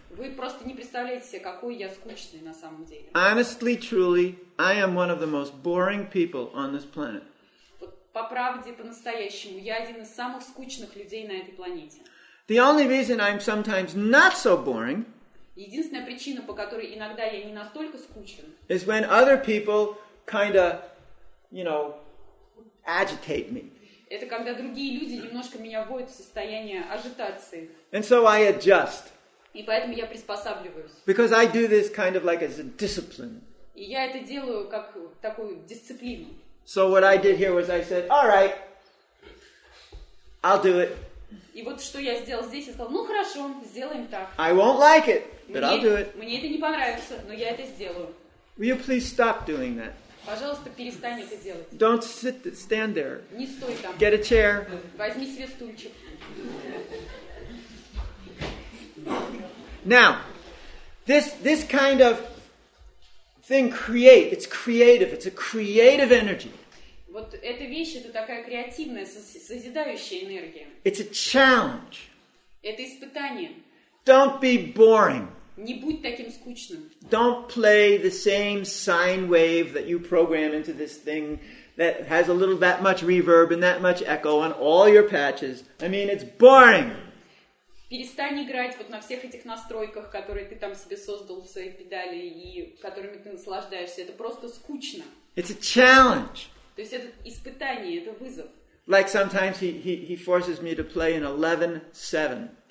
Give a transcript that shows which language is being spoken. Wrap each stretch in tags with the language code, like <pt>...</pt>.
<ru>Вы просто не представляете себе, какой я скучный на самом деле.</ru> <en>Honestly, truly, I am one of the most boring people on this planet.</en> <ru>По правде, по-настоящему, я один из самых скучных людей на этой планете.</ru> <en>The only reason I'm sometimes not so boring.</en> <ru>Единственная причина, по которой иногда я не настолько скучен.</ru> <en>Is when other people kind of, you know, agitate me.</en> <ru>Это когда другие люди немножко меня вводят в состояние ажитации.</ru> <en>And so I adjust.</en> <ru>И поэтому я приспосабливаюсь.</ru> <en>Because I do this kind of like as a discipline.</en> <ru>И я это делаю как такую дисциплину.</ru> <en>So what I did here was I said, all right, I'll do it.</en> <ru>И вот что я сделал здесь, я сказал, ну хорошо, сделаем так.</ru> <en>I won't like it, but I'll do it.</en> <ru>Мне это не понравится, но я это сделаю.</ru> <en>Will you please stop doing that?</en> <ru>Пожалуйста, перестань это делать.</ru> <en>Don't sit, stand there.</en> <ru>Не стой там.</ru> <en>Get a chair.</en> <ru>Возьми себе стульчик.</ru> <en>Now, this kind of thing create, it's creative, it's a creative energy.</en> <ru>Вот эта вещь, это такая креативная, созидающая энергия.</ru> <en>It's a challenge.</en> <ru>Это испытание.</ru> <en>Don't be boring.</en> <ru>Не будь таким скучным.</ru> <en>Don't play the same sine wave that you program into this thing that has a little that much reverb and that much echo on all your patches. I mean, it's boring.</en> <ru>Перестань играть вот на всех этих настройках, которые ты там себе создал в своей педали и которыми ты наслаждаешься. Это просто скучно.</ru> <en>It's a challenge.</en> <ru>То есть это испытание, это вызов.</ru> <en>Like sometimes he forces me to play an 11-7.</en>